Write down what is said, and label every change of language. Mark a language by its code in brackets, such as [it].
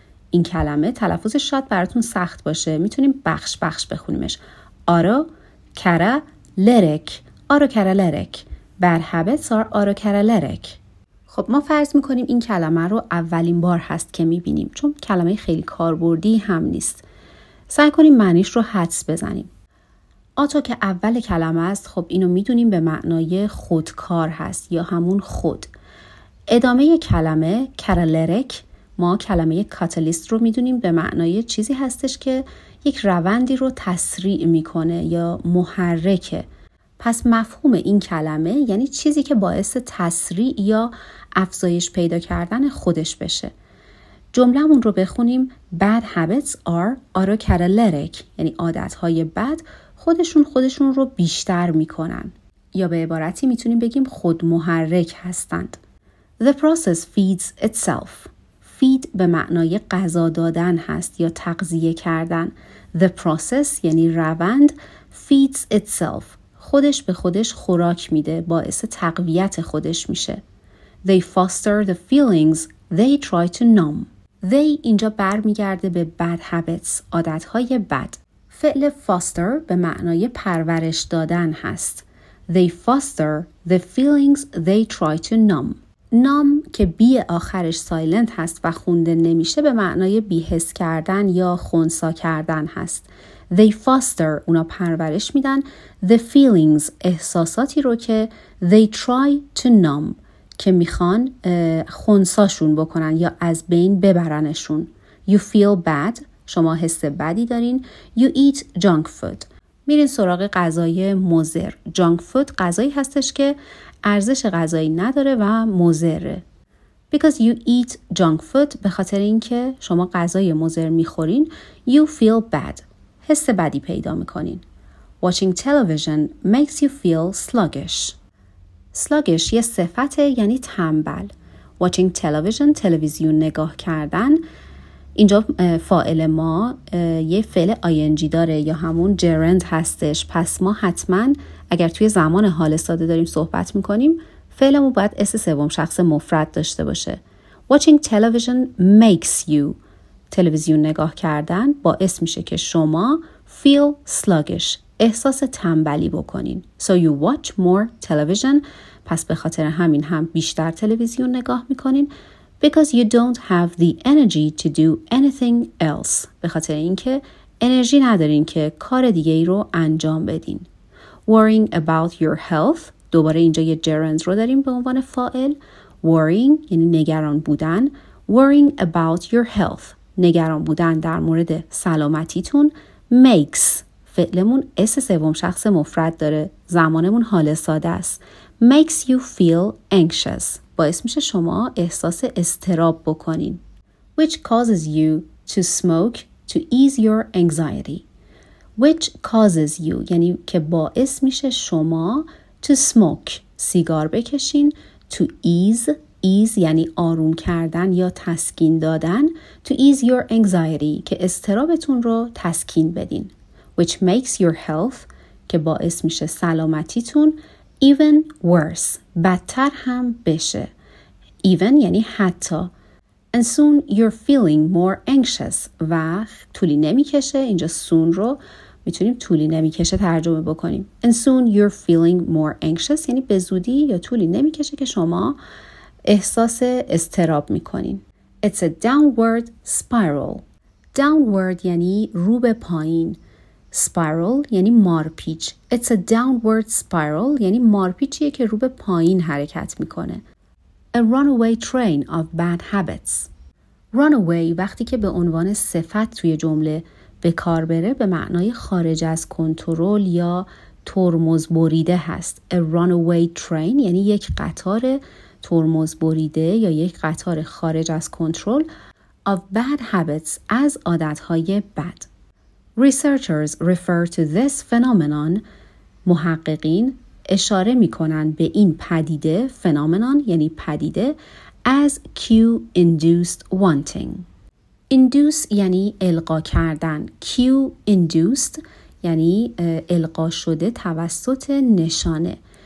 [fa] این کلمه تلفظ شاید براتون سخت باشه. میتونیم بخش بخش بخونیمش. [en] Autocatalytic. Autocatalytic. Bad habits are autocatalytic. [fa] خب ما فرض میکنیم این کلمه رو اولین بار هست که میبینیم چون کلمه خیلی کاربردی هم نیست. سعی کنیم معنیش رو حدس بزنیم. آتو که اول کلمه است خب اینو میدونیم به معنای خودکار هست یا همون خود. ادامه کلمه کرالرک ما کلمه کاتالیست رو میدونیم به معنای چیزی هستش که یک روندی رو تسریع میکنه یا محرکه. پس مفهوم این کلمه یعنی چیزی که باعث تسریع یا افزایش پیدا کردن خودش بشه. جمله‌مون رو بخونیم. [en] Bad habits are autocatalytic. [fa] یعنی عادت‌های بد خودشون رو بیشتر می‌کنن. یا به عبارتی می‌تونیم بگیم خود محرک هستند. [en] The process feeds itself. [fa] Feed به معنای غذا دادن هست یا تغذیه کردن. [en] The process [fa] یعنی روند [en] feeds itself. [fa] خودش به خودش خوراک میده، باعث تقویت خودش میشه. [en] They foster the feelings they try to numb. [fa] They اینجا برمیگرده به [en] bad habits، [fa] عادت‌های بد. فعل foster به معنای پرورش دادن هست. [en] They foster the feelings they try to numb. [fa] Numb که بی آخرش سایلنت هست و خونده نمیشه به معنای بی‌حس کردن یا خونسا کردن هست. [en] They foster [fa] اونا پرورش میدن [en] the feelings [fa] احساساتی رو که [en] they try to numb [fa] که میخوان خونساشون بکنن یا از بین ببرنشون. [en] You feel bad. [fa] شما حس بدی دارین. [en] You eat junk food. [fa] میرین سراغ غذای مضر. Junk food غذایی هستش که ارزش غذایی نداره و مضره. [en] Because you eat junk food [fa] به خاطر اینکه شما غذای مضر میخورین [en] you feel bad. [fa] حس بدی پیدا میکنین. [en] Watching television makes you feel sluggish. [fa] Sluggish یه صفته یعنی تنبل. [en] Watching television [fa] تلویزیون نگاه کردن اینجا فاعل ما یه فعل آینجی داره یا همون جرند هستش. پس ما حتما اگر توی زمان حال ساده داریم صحبت میکنیم، فعلمون باید اس سوم شخص مفرد داشته باشه. [en] Watching television makes you. [fa] تلویزیون نگاه کردن باعث میشه که شما [en] feel sluggish، [fa] احساس تنبلی بکنین. [en] So you watch more television. [fa] پس به خاطر همین هم بیشتر تلویزیون نگاه میکنین. [en] Because you don't have the energy to do anything else. [fa] به خاطر اینکه انرژی ندارین که کار دیگه ای رو انجام بدین. [en] Worrying about your health. [fa] دوباره اینجا یه gerund رو داریم به عنوان فاعل. Worrying یعنی نگران بودن. [en] Worrying about your health. [fa] نگران بودن در مورد سلامتیتون. Makes. فعلمون اس سوم شخص مفرد داره. زمانمون حال ساده است. [en] Makes you feel anxious. [fa] باعث میشه شما احساس استراب بکنین. [en] Which causes you to smoke to ease your anxiety. Which causes you [fa] یعنی که باعث میشه شما [en] to smoke [fa] سیگار بکشین. To ease یعنی آروم کردن یا تسکین دادن. [en] To ease your anxiety [fa] که استرابتون رو تسکین بدین. [en] Which makes your health [fa] که باعث میشه سلامتیتون [en] even worse [fa] بدتر هم بشه. Even یعنی حتی. [en] And soon you're feeling more anxious [fa] و طولی نمیکشه. اینجا soon رو میتونیم طولی نمیکشه ترجمه بکنیم. [en] And soon you're feeling more anxious [fa] یعنی به زودی یا طولی نمیکشه که شما احساس اضطراب میکنین. [en] It's a downward spiral. [fa] Downward یعنی رو به پایین. Spiral یعنی مارپیچ. [en] It's a downward spiral [fa] یعنی مارپیچیه که رو به پایین حرکت میکنه. [en] A runaway train of bad habits. [fa] Runaway وقتی که به عنوان صفت توی جمله به کار بره به معنای خارج از کنترل یا ترمز بریده هست. [en] A runaway train [fa] یعنی یک قطار ترمز بریده یا یک قطار خارج از کنترل. [en] Of bad habits [fa] از عادتهای بد. [en] Researchers refer to this phenomenon. [fa] محققین اشاره میکنن به این پدیده، phenomenon یعنی پدیده، [en] as cue-induced wanting. [fa] Induce یعنی القا کردن. Cue-induced یعنی القا شده توسط نشانه.